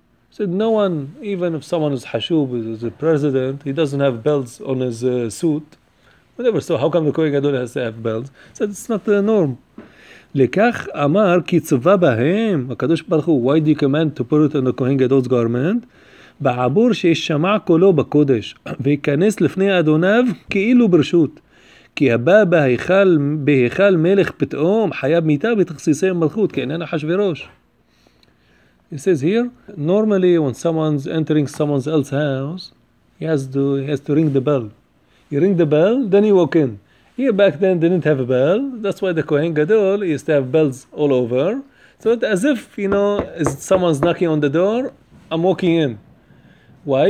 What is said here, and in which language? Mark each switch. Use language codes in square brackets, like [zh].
[en] He said, no one, even if someone is חשוב, is a president, he doesn't have bells on his suit. Whatever, so how come the Kohen Gadol has to have bells? He said, it's not the norm. [he] לכך אמר כי צווה בהם הקדוש ברוך הוא [en] why do you command to put it on the Kohen Gadol's garment [he] בעבור שישמע קולו בקודש ויכנס לפני אדוניו כאילו ברשות כי הבא בהיכל מלך פתאום חייב מיתה בתכסיסי מלכות כי איננה חשבירוש. [en] It says here normally when someone's entering someone else's house he has to ring the bell. You ring the bell then you walk in. Here back then didn't have a bell. That's why the Kohen Gadol used to have bells all over. So it's as if, you know, as someone's knocking on the door, I'm walking in. Why?